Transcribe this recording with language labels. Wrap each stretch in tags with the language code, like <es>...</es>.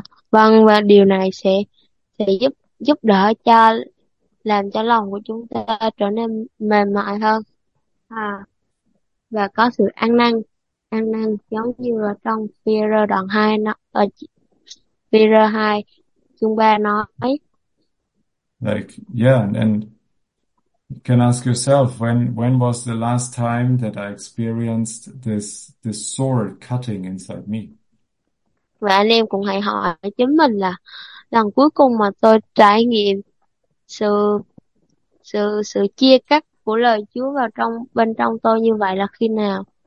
<vi>Và điều này sẽ giúp giúp đỡ cho làm cho lòng của chúng ta trở nên mềm mại hơn. Và có sự ăn năn giống như là trong Phi-e-rơ đoạn 2 nó ở Phi-e-rơ 2 chương 3 nói.</vi> <en>And can ask yourself when was the last time that I experienced this sword cutting inside me?</en> <vi>Và anh em cũng hãy hỏi chính mình là lần cuối cùng mà tôi trải nghiệm sự sự sự chia cắt của lời Chúa vào trong bên trong tôi như vậy là khi nào?</vi>